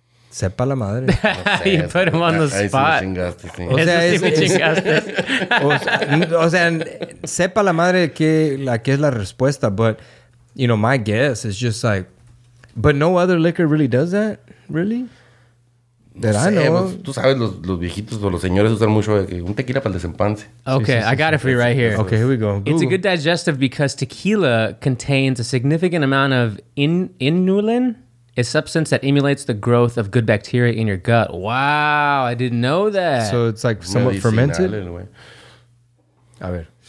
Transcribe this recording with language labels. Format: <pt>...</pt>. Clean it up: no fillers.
<es>Sepa la madre. No sé,</es> <en>you put him on the spot.</en> <es>O sea, sepa la madre que es la respuesta,</es> <en>but you know my guess is just like. But no other liquor really does that, really? That</en> <es>no sé,</es> <en>I know.</en> <es>Pues, tú sabes, los viejitos o los señores usan mucho un tequila para el desempance.</es> <en>Okay,</en> <es>sí, sí,</es> <en>I got it for you right here. Okay, here we go. It's a good digestive because tequila contains a significant amount of inulin, a substance that emulates the growth of good bacteria in your gut. Wow, I didn't know that. So it's like somewhat fermented?</en> <es>A ver.</es>